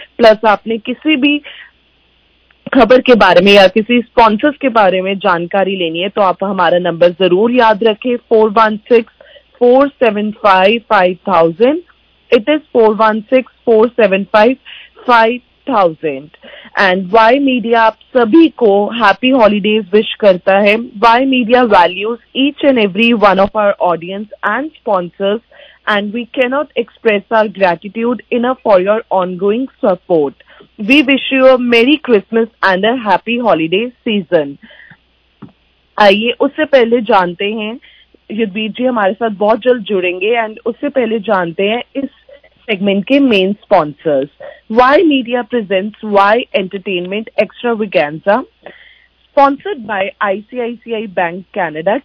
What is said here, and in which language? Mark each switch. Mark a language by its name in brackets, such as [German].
[Hindi] Plus आपने किसी भी खबर के बारे में या किसी स्पॉन्सर्स के बारे में जानकारी लेनी है तो आप हमारा नंबर जरूर याद रखें 4164755000. [English] It is 416-475-5000. [Hindi] And Y Media आप सभी को हैप्पी हॉलीडेज विश करता है. [English] Y Media values each and every one of our audience and sponsors, and we cannot express our gratitude enough for your ongoing support. We wish you a Merry Christmas and a Happy Holiday season. [Hindi] आइए उससे पहले जानते हैं, युद्धवीर जी हमारे साथ बहुत जल्द जुड़ेंगे, एंड उससे पहले जानते हैं इस सेगमेंट के main sponsors. [English] Y media presents Y entertainment extravaganza, sponsored by ICICI bank Canada.